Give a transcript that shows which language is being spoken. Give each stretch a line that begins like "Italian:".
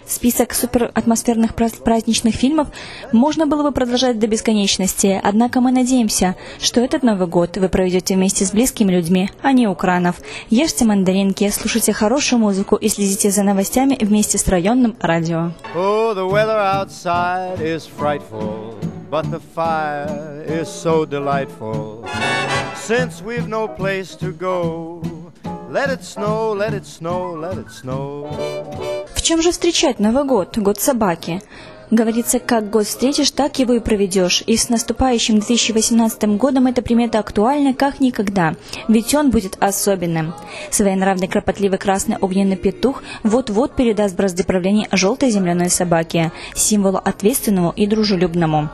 Russian: Список суператмосферных праздничных фильмов можно было бы продолжать до бесконечности, однако мы надеемся, что этот Новый год вы проведете вместе с близкими людьми, а не у кранов. Ешьте мандаринки, слушайте хорошую музыку и следите за новостями вместе с районным радио.
English: Oh, the weather outside is frightful, but the fire is so delightful. Since we've no place to go, let it snow, let it snow, let it snow.
Russian: В чем же встречать Новый год, год собаки? Говорится, как год встретишь, так его и проведешь. И с наступающим 2018 годом эта примета актуальна как никогда, ведь он будет особенным. Своенравный кропотливый красный огненный петух вот-вот передаст бразды правления желтой земляной собаке, символу ответственному и дружелюбному.